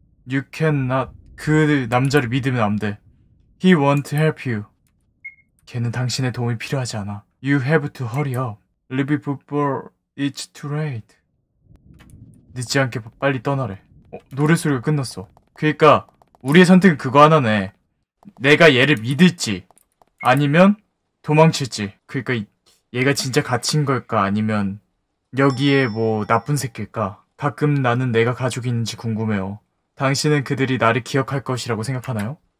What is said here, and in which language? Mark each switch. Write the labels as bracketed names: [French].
[English] You cannot, [Korean] 그 남자를 믿으면 안 돼. [English] He won't help you. [Korean] 걔는 당신의 도움이 필요하지 않아. [English] You have to hurry up. Leave it before it's too late. [Korean] 늦지 않게 빨리 떠나래. 노래 소리가 끝났어. 그러니까 우리의 선택은 그거 하나네. 내가 얘를 믿을지 아니면 도망칠지. 그러니까 얘가 진짜 갇힌 걸까 아니면 여기에 뭐 나쁜 새끼일까. 가끔 나는 내가 가족이 있는지 궁금해요. 당신은 그들이 나를 기억할 것이라고 생각하나요?